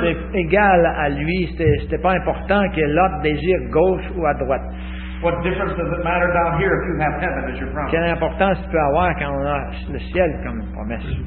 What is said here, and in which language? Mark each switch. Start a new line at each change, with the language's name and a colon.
French: C'était égal à lui. C'était pas important que Lot désire gauche ou à droite.
English: What difference does it matter down here if you have heaven as your promise?
French: Quelle importance peut avoir quand on a le ciel comme promesse?